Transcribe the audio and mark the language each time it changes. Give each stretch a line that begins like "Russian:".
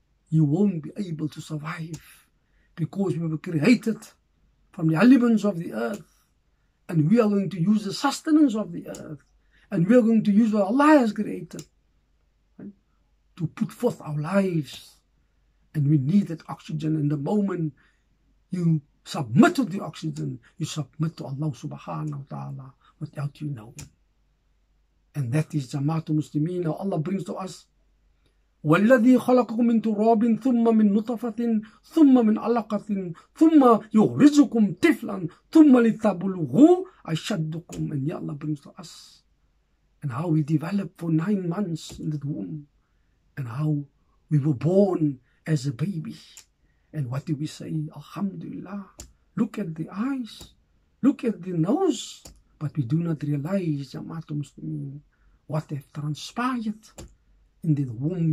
English: You won't be able to survive because we were created from the elements of the earth and we are going to use the sustenance of the earth and we are going to use what Allah has created to put forth our lives, and we need that oxygen. And the moment you submit to the oxygen, you submit to Allah subhanahu wa ta'ala without you knowing. And that is Jamaat al-Muslimin. Allah brings to us,
Arabic: وَالَّذِي خَلَقَكُمْ مِنْ تُرَابٍ ثُمَّ مِنْ نُطَفَةٍ ثُمَّ مِنْ عَلَقَةٍ ثُمَّ يُغْرِزُكُمْ تِفْلًا ثُمَّ لِتَبُلُغُوا أَشَدُّكُمْ.
English: And ya Allah brings to us, and how we developed for 9 months in the womb, and how we were born as a baby. And what do we say? Alhamdulillah. Look at the eyes. Look at the nose. But we do not realize, Jamaat Muslimin, what has transpired in the womb.